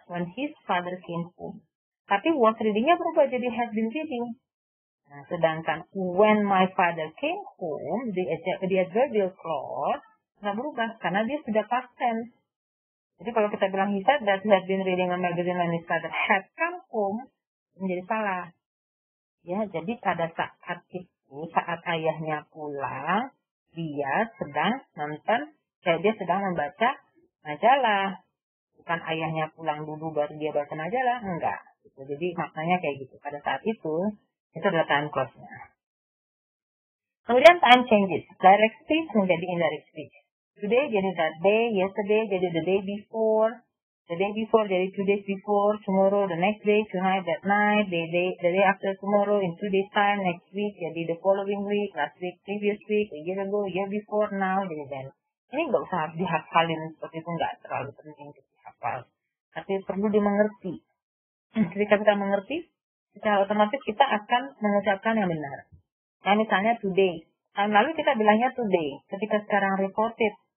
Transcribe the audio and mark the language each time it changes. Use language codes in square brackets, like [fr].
[en] When his father came home. [id] Tapi [en] was reading-nya [id] berubah jadi [en] has been reading. [id] Nah, sedangkan [en] when my father came home, the adverbial clause [id] nggak berubah. Karena dia sudah [en] past tense. [id] Jadi kalau kita bilang [en] he said that he had been reading a magazine when his father had come home, [id] menjadi salah. Ya, jadi pada saat itu, saat ayahnya pulang, dia sedang nonton, dia sedang membaca majalah. Bukan ayahnya pulang dulu baru dia baca majalah, enggak. Jadi maknanya kayak gitu. Pada saat itu adalah [en] time clause- [id] nya. Kemudian [en] time changes. Direct speech [id] menjadi [en] indirect speech. Today jadi that day, yesterday jadi the day before. The day before [id] jadi [en] 2 days before, tomorrow, the next day, tonight, that night, the day after tomorrow, in 2 days time, next week, jadi the following week, last week, previous week, a year ago, year before, now, jadi then. [id] Ini nggak usah dihafalin, seperti itu nggak terlalu penting untuk dihafal. Tapi perlu dimengerti. Ketika kita mengerti, secara otomatis kita akan mengucapkan yang benar. Nah, misalnya [en] today. [id] Tahun lalu kita bilangnya today, ketika sekarang reported.